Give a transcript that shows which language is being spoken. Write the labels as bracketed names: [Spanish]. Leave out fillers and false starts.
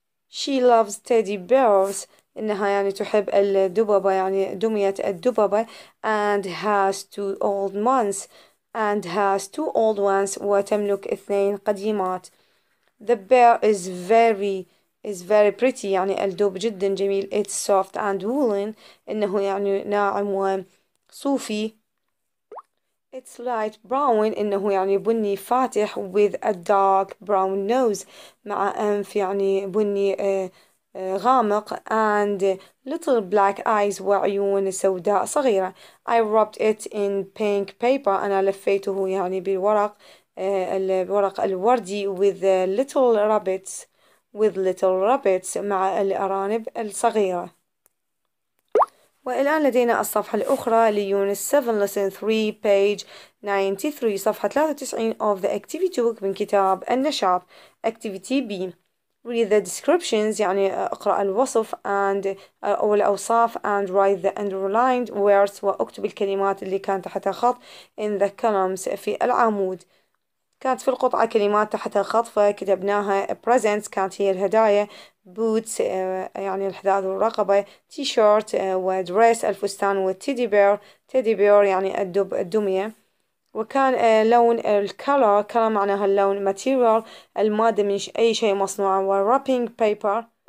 [English] she loves teddy bears [Arabic] إنها يعني تحب الدببة يعني دمية الدببة [English] and has two old ones and has two old ones [Arabic] وتملك اثنين قديمات. [English] the bear is very pretty [Arabic] يعني الدب جدا جميل. [English] it's soft and woolen [Arabic] إنه يعني ناعم وصوفي. [English] it's light brown [Arabic] إنه يعني بني فاتح [English] with a dark brown nose [Arabic] مع أنف يعني بني غامق [English] and little black eyes [Arabic] وعيون سوداء صغيرة. [English] I wrapped it in pink paper [Arabic] أنا لفيته يعني بالورق الورق الوردي [English] with little rabbits with little rabbits [Arabic] مع الأرانب الصغيرة. والآن لدينا الصفحة الأخرى ليونس [English] 7 lesson 3 page 93 [Arabic] صفحة 93 [English] of the activity book [Arabic] من كتاب النشاط. [English] activity B read the descriptions [Arabic] يعني اقرأ الوصف [English] and [Arabic] أو الأوصاف [English] and write the underlined words [Arabic] وأكتب الكلمات اللي كانت تحت خط [English] in the columns [Arabic] في العمود. كانت في القطعة كلمات تحت الخط فكتبناها presents كانت هي الهدايا boots يعني الحذاء ذو الرقبة t-shirt ودريس الفستان وتيدي بير تيدي بير يعني الدب الدمية وكان لون الكالر كالر معناها اللون material المادة من أي شيء مصنوع و wrapping paper